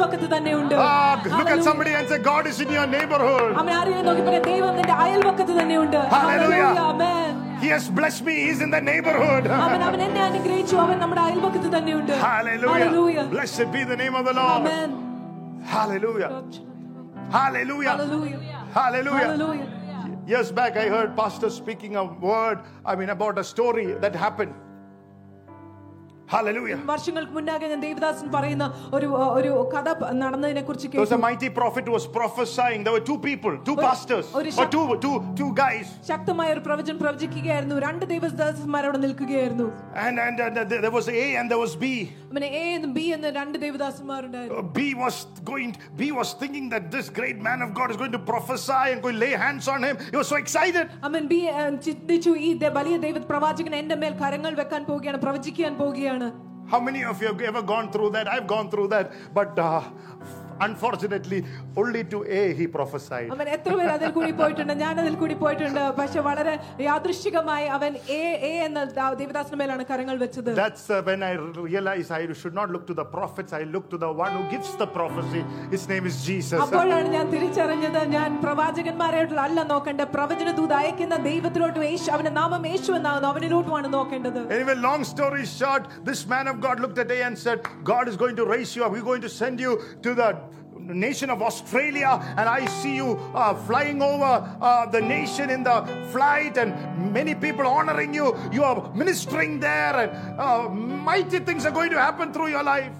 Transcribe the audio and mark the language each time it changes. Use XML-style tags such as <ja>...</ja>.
<en>Look at somebody and say, God is in your neighborhood.</en> <ml>അമ്മ ആരെയോ നോക്കി പറയ ദൈവം നിന്റെ അയൽവക്കത്ത് തന്നെയുണ്ട്.</ml> <en>Hallelujah. Amen. He has blessed me. He's in the neighborhood.</en> <ml>അവൻ എന്നെ അനുഗ്രഹിച്ചു. അവൻ നമ്മുടെ അയൽവക്കത്ത് തന്നെയുണ്ട്.</ml> <en>Hallelujah. Blessed be the name of the Lord. Amen. Hallelujah. Hallelujah. Hallelujah. Hallelujah. Hallelujah. Years back, I heard pastor speaking a word, I mean about a story that happened. Hallelujah.</en> <ml>വർഷങ്ങൾക്ക് മുന്നാകെ ഞാൻ ദേവദാസൻ പറയുന്ന ഒരു ഒരു കഥ നടന്നതിനെ കുറിച്ച് കേട്ടു.</ml> <en>There was a mighty prophet who was prophesying. There were two people, two pastors, or two guys.</en> <ml>ശക്തമായ ഒരു പ്രവചനം പ്രവചിക്കുകയായിരുന്നു. രണ്ട് ദേവദാസന്മാർ അവിടെ നിൽക്കുകയായിരുന്നു.</ml> <en>And there was A and there was B.</en> <ml>അങ്ങനെ A എന്നും B എന്നും രണ്ട് ദേവദാസന്മാർ ഉണ്ടായിരുന്നു.</ml> <en>B was thinking that this great man of God is going to prophesy and going to lay hands on him. He was so excited.</en> <ml>അങ്ങനെ B ചിന്തിച്ചു, ഈ വലിയ ദൈവപ്രവാചകൻ എന്റെ മേൽ കരങ്ങൾ വെക്കാൻ പോവുകയാണ്, പ്രവചിക്കാൻ പോവുകയാണ്.</ml> <en>How many of you have ever gone through that? I've gone through that. But unfortunately, only to A he prophesied.</en> <ml>അവൻ എത്ര പേർ അതിൽ കൂടി പോയിട്ടുണ്ട്, ഞാൻ അതിൽ കൂടി പോയിട്ടുണ്ട്. പക്ഷെ വളരെ യാദൃശ്ചികമായി അവൻ എ എന്ന ദേവദാസനമേലാണ് കരങ്ങൾ വെച്ചത്.</ml> <en>That's when I realized I should not look to the prophets, I look to the one who gives the prophecy. His name is Jesus.</en> <ml>അപ്പോഴാണ് ഞാൻ തിരിച്ചറിഞ്ഞത്, ഞാൻ പ്രവാചകന്മാരെയല്ല നോക്കേണ്ടത്, പ്രവചന ദൂത അയക്കുന്ന ദൈവത്തിലോട്ട്, യേശു, അവന്റെ നാമം യേശു എന്നാണ്, അവനിലോട്ടാണ് നോക്കേണ്ടത്.</ml> <en>Anyway, long story short, this man of God looked at A and said, God is going to raise you up. He's going to send you to the nation of Australia, and I see you flying over the nation in the flight, and many people honoring you. You are ministering there, and mighty things are going to happen through your life.</en>